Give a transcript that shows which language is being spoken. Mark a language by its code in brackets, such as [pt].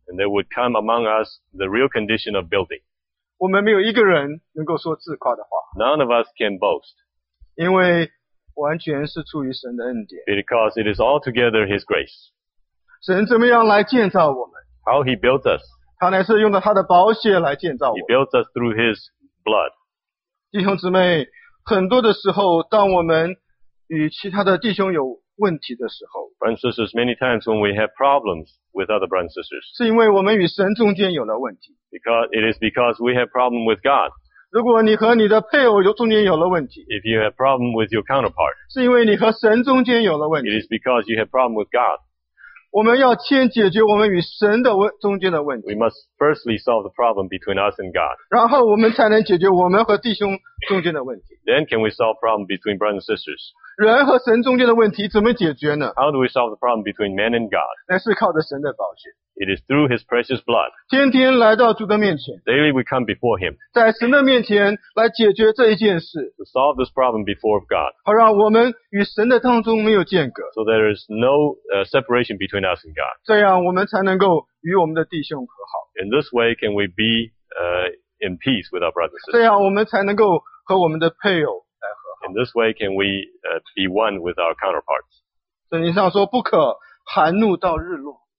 [en] And there would come among us the real condition of building. [zh] 我们没有一个人能够说自夸的话。 [en] None of us can boast. [zh] 因为完全是出于神的恩典。 [en] Because it is altogether His grace. [zh] 神怎么样来建造我们？ [en] How He built us. [zh] 他乃是用了他的宝血来建造我们。 [en] He built us through His blood. [zh] 弟兄姊妹，很多的时候当我们与其他的弟兄有问题的时候 [en] Brothers and sisters, many times when we have problems with other brothers and sisters, [zh] 是因为我们与神中间有了问题。 [en] It is because we have problem with God. [zh] 如果你和你的配偶中间有了问题 [en] If you have problem with your counterpart, [zh] 是因为你和神中间有了问题。 [en] It is because you have problem with God. [zh] 我们要先解决我们与神的中间的问题。 [en] We must firstly solve the problem between us and God. [zh] 然后我们才能解决我们和弟兄中间的问题。 [en] Then can we solve problem between brothers and sisters? [zh] 人和神中间的问题怎么解决呢？ [en] How do we solve the problem between man and God? [zh] 那是靠着神的宝血。 [en] It is through His precious blood. [zh] 天天来到主的面前。 [en] Daily we come before Him. [zh] 在神的面前来解决这一件事。 [en] To solve this problem before God. [zh] 好让我们与神的当中没有间隔。 [en] So there is no separation between us and God. [zh] 这样我们才能够与我们的弟兄和好。 [en] In this way can we be in peace with our brothers and sisters. [zh] 这样我们才能够和我们的配偶。 [en] In this way, can we be one with our counterparts? [zh] 圣经上说不可含怒到日落。